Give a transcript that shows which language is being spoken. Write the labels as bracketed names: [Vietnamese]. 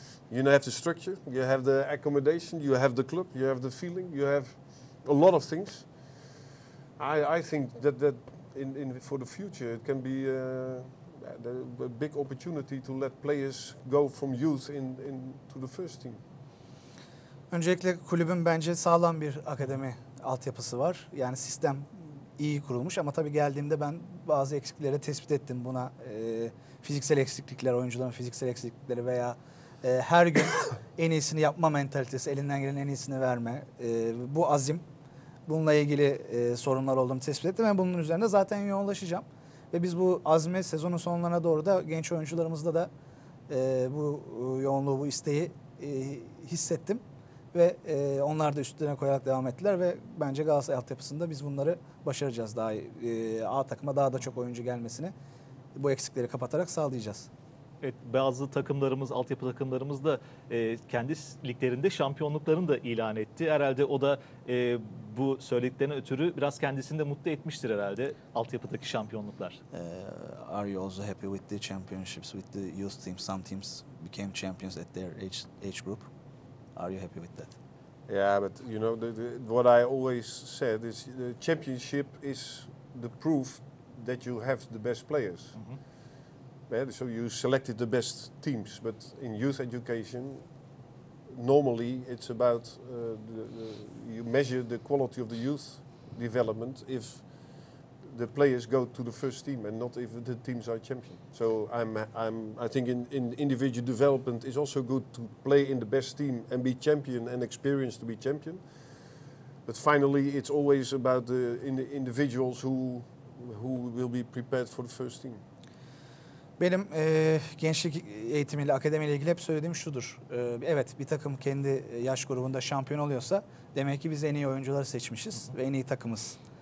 [English] You know, have the structure, you have the accommodation, you have the club, you have the feeling, you have a lot of things. I think that in for the future it can be a big opportunity to let players go from youth in to the first team. [Turkish] Öncelikle kulübün bence sağlam bir akademi altyapısı var. Yani sistem iyi kurulmuş ama tabii geldiğimde ben bazı eksikleri tespit ettim. Buna fiziksel eksiklikler, oyuncuların fiziksel eksiklikleri veya her gün en iyisini yapma mentalitesi, elinden gelen en iyisini verme, bu azim. Bununla ilgili sorunlar olduğumu tespit ettim ve bunun üzerine zaten yoğunlaşacağım. Ve biz bu azmi sezonun sonlarına doğru da genç oyuncularımızda da bu yoğunluğu, bu isteği hissettim. Ve onlar da üstlerine koyarak devam ettiler ve bence Galatasaray altyapısında biz bunları başaracağız. Daha A takıma daha da çok oyuncu gelmesini bu eksikleri kapatarak sağlayacağız. Evet, bazı takımlarımız, altyapı takımlarımız da kendi liglerinde şampiyonluklarını da ilan etti. Herhalde o da bu söylediklerine ötürü biraz kendisini de mutlu etmiştir herhalde altyapıdaki şampiyonluklar. [English] Are you also happy with the championships, with the youth teams? Some teams became champions at their age group. Are you happy with that? Yeah, but you know, what I always said is the championship is the proof that you have the best players. Mm-hmm. So you selected the best teams, but in youth education, normally it's about you measure the quality of the youth development if the players go to the first team and not if the teams are champion. So I think in individual development is also good to play in the best team and be champion and experience to be champion. But finally, it's always about the individuals who will be prepared for the first team. [Turkish] Benim gençlik eğitimiyle, akademiyle ilgili hep söylediğim şudur. Evet, bir takım kendi yaş grubunda şampiyon oluyorsa demek ki biz en iyi oyuncuları seçmişiz ve en iyi takımız.